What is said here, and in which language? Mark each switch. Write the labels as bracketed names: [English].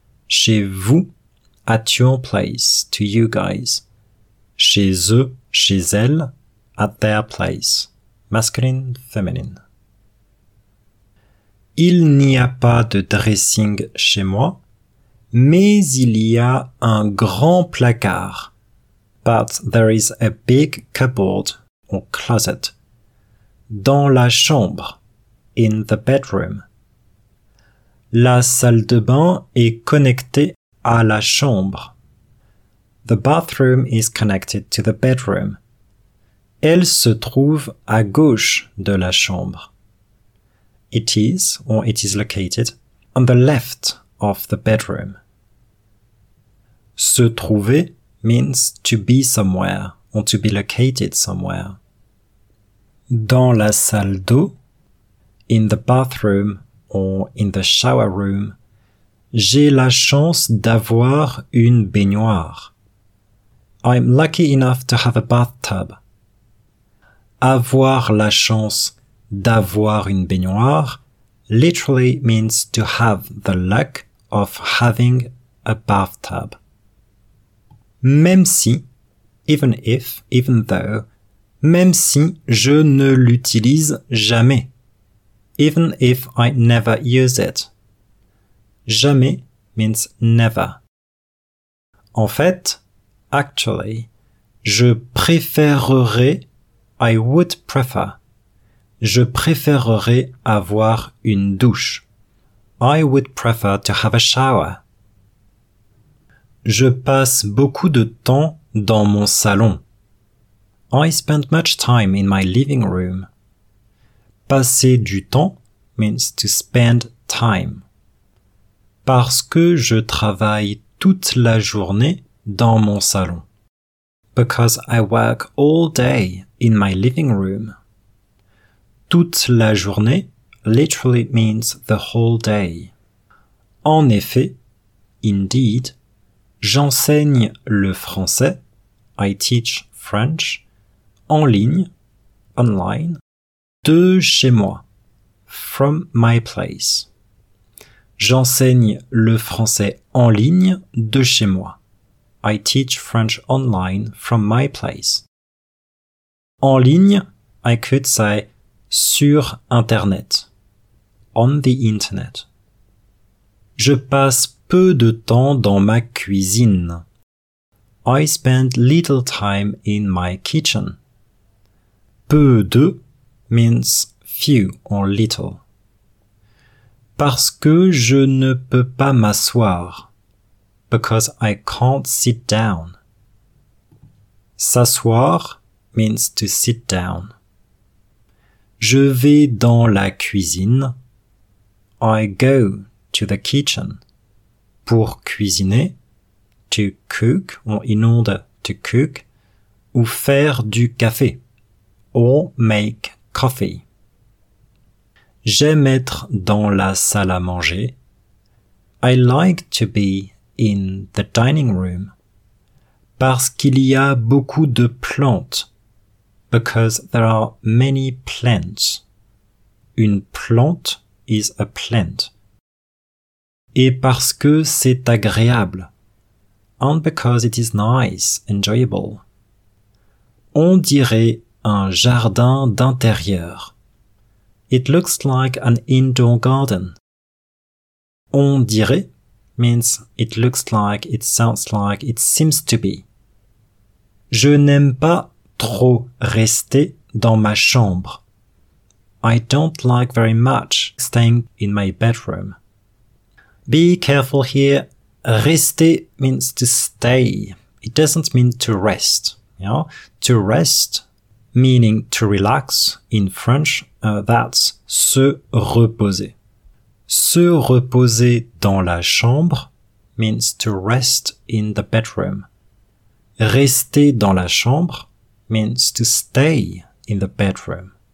[French] Chez vous, [English] at your place, to you guys. [French] Chez eux, chez elle, [English] at their place. Masculine, feminine. [French] Il n'y a pas de dressing chez moi, mais il y a un grand placard. [English] But there is a big cupboard or closet [French] dans la chambre, in the bedroom. La salle de bain est connectée à la chambre. [English] The bathroom is connected to the bedroom. [French] Elle se trouve à gauche de la chambre. [English] It is, or it is located, on the left of the bedroom. [French] Se trouver [English] means to be somewhere or to be located somewhere. [French] Dans la salle d'eau, [English] in the bathroom or in the shower room, [French] J'ai la chance d'avoir une baignoire. [English] I'm lucky enough to have a bathtub. [French] Avoir la chance d'avoir une baignoire [English] literally means to have the luck of having a bathtub. [French] Même si, [English] even if, even though, [French] même si je ne l'utilise jamais. [English] Even if I never use it. Jamais means never. [French] En fait, [English] actually, [French] je préférerais, [English] I would prefer, [French] je préférerais avoir une douche. [English] I would prefer to have a shower. [French] Je passe beaucoup de temps dans mon salon. [English] I spend much time in my living room. [French] Passer du temps [English] means to spend time. [French] Parce que je travaille toute la journée dans mon salon. [English] Because I work all day in my living room. [French] Toute la journée [English] literally means the whole day. [French] En effet, [English] indeed, [French] j'enseigne le français, [English] I teach French, [French] en ligne, [English] online, [French] de chez moi, [English] from my place. [French] J'enseigne le français en ligne de chez moi. [English] I teach French online from my place. [French] En ligne, [English] I could say [French] sur Internet. [English] On the Internet. [French] Je passe peu de temps dans ma cuisine. [English] I spend little time in my kitchen. [French] Peu de [English] means few or little. [French] Parce que je ne peux pas m'asseoir. [English] Because I can't sit down. [French] S'asseoir [English] means to sit down. [French] Je vais dans la cuisine. [English] I go to the kitchen. [French] Pour cuisiner, [English] to cook, or in order to cook, [French] ou faire du café, [English] or make coffee. [French] J'aime être dans la salle à manger. [English] I like to be in the dining room. [French] Parce qu'il y a beaucoup de plantes. [English] Because there are many plants. [French] Une plante [English] is a plant. [French] Et parce que c'est agréable. [English] And because it is nice, enjoyable. [French] On dirait un jardin d'intérieur. [English] It looks like an indoor garden. [French] On dirait [English] means it looks like, it sounds like, it seems to be. [French] Je n'aime pas trop rester dans ma chambre. [English] I don't like very much staying in my bedroom. Be careful here. Rester means to stay. It doesn't mean to rest. You know? To rest, meaning to relax in French, that's [French] se reposer. Se reposer dans la chambre [English] means to rest in the bedroom. [French] Rester dans la chambre [English] means to stay in the bedroom.